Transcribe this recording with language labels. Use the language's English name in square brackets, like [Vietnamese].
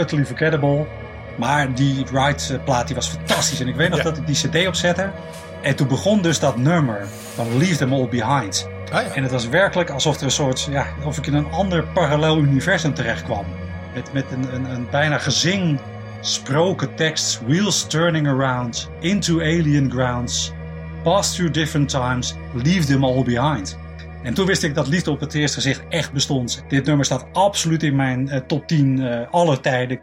[Dutch] Utterly Forgettable. Maar die Rights-plaat was fantastisch. En ik weet nog dat ik die cd opzette. En toen begon dus dat nummer van Leave Them All Behind. Ah, ja. En het was werkelijk alsof er een soort, ja, of ik in een ander parallel universum terechtkwam. Met een bijna gezing sproken tekst, [English] wheels turning around, into alien grounds, pass through different times, leave them all behind. [Dutch] En toen wist ik dat Liefde op het Eerste Gezicht echt bestond. Dit nummer staat absoluut in mijn top 10 aller tijden.